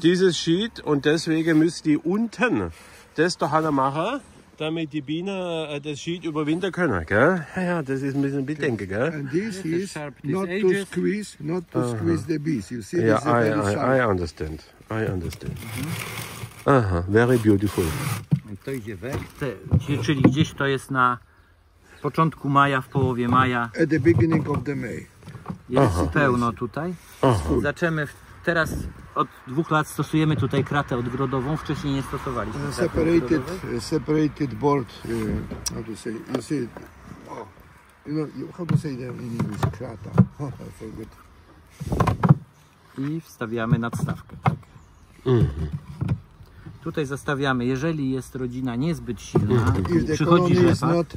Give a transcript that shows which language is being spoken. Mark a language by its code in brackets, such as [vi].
[de] Dieses Sheet, und deswegen müssen die unten das doch alle machen, damit die Bienen das Sheet überwintern können, gell? Ja, das ist ein bisschen Bedenken, gell? [en] And this is not to squeeze the bees. You see, yeah, this is very sharp. I understand. Mm-hmm. Aha, very beautiful. [pl] To idzie weg. Czyli gdzieś to jest na początku maja, w połowie maja. [en] At the beginning of the May. [pl] Jest pełno tutaj. Aha. Zaczynamy teraz. Od dwóch lat stosujemy tutaj kratę odgrodową, wcześniej nie stosowaliśmy kraty. [en] Separated board, how to say, you see, it. Oh, you know, how to say that in English, krata, oh, I forgot. [pl] I wstawiamy nadstawkę, tak. Tutaj zastawiamy, jeżeli jest rodzina niezbyt silna, przychodzi rzepak.